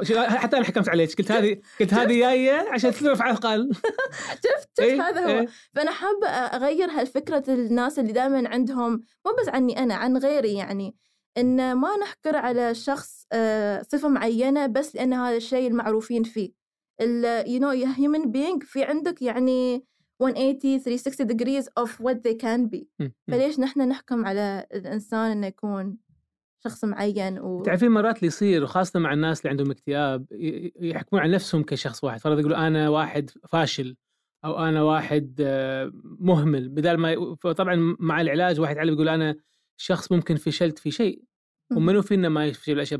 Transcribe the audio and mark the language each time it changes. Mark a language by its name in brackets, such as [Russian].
[Arabic] حتى أنا حكمت عليك، قلت هذه جاية عشان ترفع الأثقال. شفت هذا هو. فأنا حابة أغير هالفكرة الناس اللي دائما عندهم، مو بس عني أنا، عن غيري، يعني إن ما نحكر على شخص صفة معينة بس لأن هذا الشيء المعروفين فيه. [English] You know, a human being [Arabic] في عندك يعني [English] 180 360 degrees of what they can be. [Arabic] فليش نحن نحكم على الإنسان إنه يكون شخص معين؟ تعرفين مرات اللي يصير وخاصة مع الناس اللي عندهم اكتئاب يحكمون على نفسهم كشخص واحد، فرض يقولوا أنا واحد فاشل أو أنا واحد مهمل، بدل ما طبعا مع العلاج واحد يعلم يقول أنا شخص ممكن فشلت في شيء، ومنو فينا ما يفشل الأشياء.